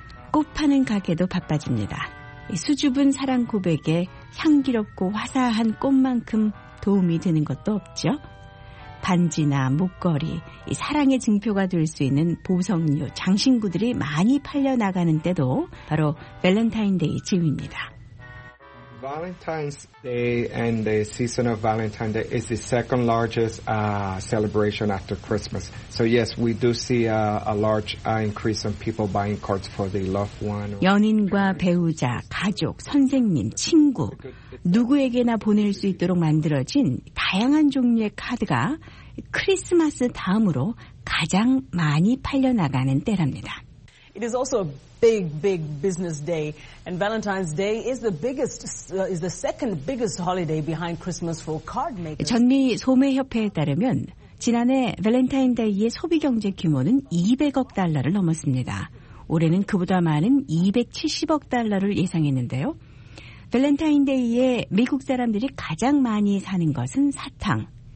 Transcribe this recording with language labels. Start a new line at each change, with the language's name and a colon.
Korean: 꽃 파는 가게도 바빠집니다. 수줍은 사랑 고백에 향기롭고 화사한 꽃만큼 도움이 되는 것도 없죠. 반지나 목걸이, 사랑의 증표가 될 수 있는 보석류, 장신구들이 많이 팔려나가는 때도 바로 밸런타인데이 즈음입니다.
English: Valentine's Day and the season of Valentine's Day is the second largest celebration after Christmas. So yes, we do see a large increase in people buying cards for the loved one.
Korean: 연인과 배우자, 가족, 선생님, 친구, 누구에게나 보낼 수 있도록 만들어진 다양한 종류의 카드가 크리스마스 다음으로 가장 많이 팔려나가는 때랍니다.
English: It is also a big, big business day, and Valentine's Day is the biggest, is the second biggest holiday behind Christmas for card makers.
Korean: 전미 소매협회에 따르면 지난해 밸런타인데이의 소비 경제 규모는 200억 달러를 넘었습니다. 올해는 그보다 많은 270억 달러를 예상했는데요. 밸런타인데이에 미국 사람들이 가장 많이 사는 것은 사탕.